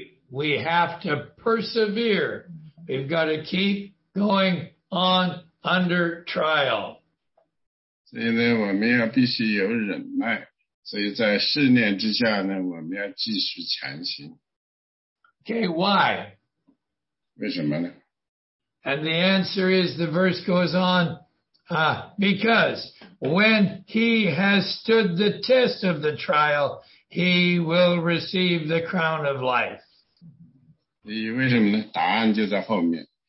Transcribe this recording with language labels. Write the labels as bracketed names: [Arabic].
[English] We have to persevere. We've got to keep going on under trial. [Chinese] 所以呢，我们要必须有忍耐。所以在试炼之下呢，我们要继续前行。 [English] Okay, why? [Chinese] 为什么呢？ [English] And the answer is, the verse goes on, because when he has stood the test of the trial, he will receive the crown of life. [Chinese] 为什么呢？答案就在后面。